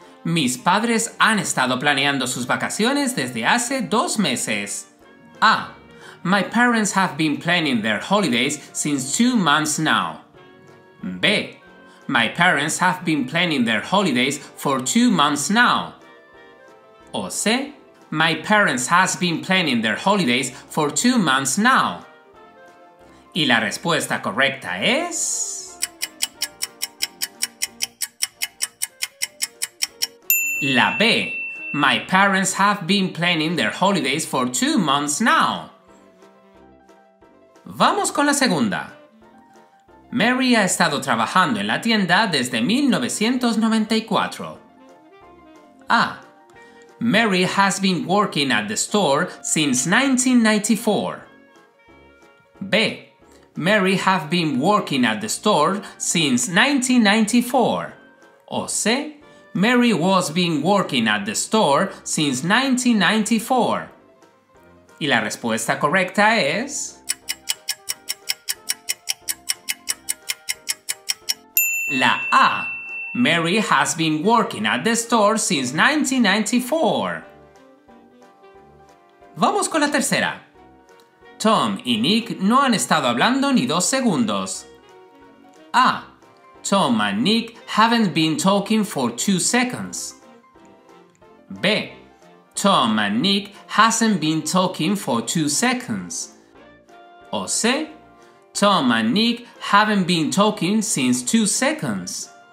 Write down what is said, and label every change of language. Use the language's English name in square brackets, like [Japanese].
[Spanish] Mis padres han estado planeando sus vacaciones desde hace 2 meses. A. [English] My parents have been planning their holidays since 2 months now. B. My parents have been planning their holidays for 2 months now. O C. My parents has been planning their holidays for 2 months now. [Spanish] Y la respuesta correcta es... la B. [English] My parents have been planning their holidays for 2 months now. [Spanish] Vamos con la segunda. Mary ha estado trabajando en la tienda desde 1994. A. [English] Mary has been working at the store since 1994. B. Mary have been working at the store since 1994. [Spanish] O se, [English] Mary was been working at the store since 1994. [Spanish] Y la respuesta correcta es... la A. [English] Mary has been working at the store since 1994. [Spanish] Vamos con la tercera. Tom y Nick no han estado hablando ni 2 segundos. A. [English] Tom and Nick haven't been talking for 2 seconds. B. Tom and Nick hasn't been talking for 2 seconds. [Spanish] O C. [English] Tom and Nick haven't been talking since 2 seconds.